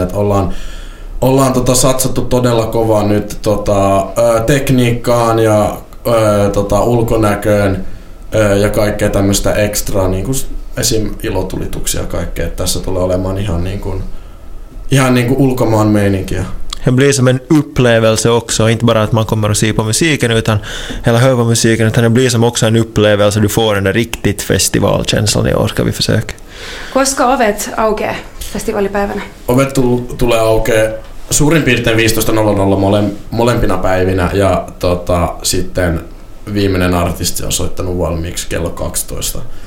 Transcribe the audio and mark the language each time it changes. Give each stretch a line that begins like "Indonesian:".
Finnish: Että ollaan satsattu todella kovaa nyt tekniikkaan ja ulkonäköön ja kaikkea tämmöistä ekstraa, niin kuin esim. Ilotulituksia kaikkea. Tässä tulee olemaan ihan niin kuin ulkomaan meininkiä.
Swedish: Det blir som en upplevelse också, inte bara att man kommer att se på musiken utan hela höra på musiken, utan det blir som också en upplevelse, du får en riktigt festivalkänsla i år, ska vi försöka.
Finnish: Koska ovet aukee festivalipäivänä? Ovet tulee aukee suurin piirtein 15.00 molempina päivinä, ja sitten viimeinen artisti on soittanut valmiiksi kello 12.